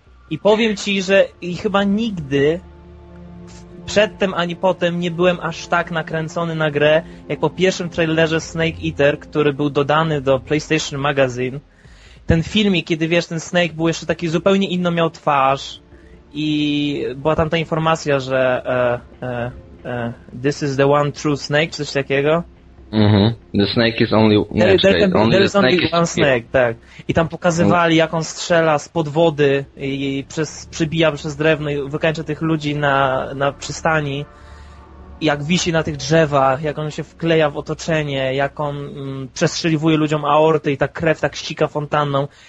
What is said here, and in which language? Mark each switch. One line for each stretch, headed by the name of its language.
Polish: I powiem ci, że chyba nigdy... Przedtem ani potem nie byłem aż tak nakręcony na grę, jak po pierwszym trailerze Snake Eater, który był dodany do PlayStation Magazine. Ten filmik, kiedy wiesz, ten Snake był jeszcze taki zupełnie inny, miał twarz i była tam ta informacja, że
English: this is the one true snake,
Polish: coś takiego.
English: Mm-hmm. The snake is only... There is only one snake, tak.
Polish: I tam pokazywali, jak on strzela spod wody i przebija przez drewno i wykańcza tych ludzi na przystani. Jak wisi na tych drzewach, jak on się wkleja w otoczenie, jak on przestrzeliwuje ludziom aorty i ta krew tak ścika fontanną.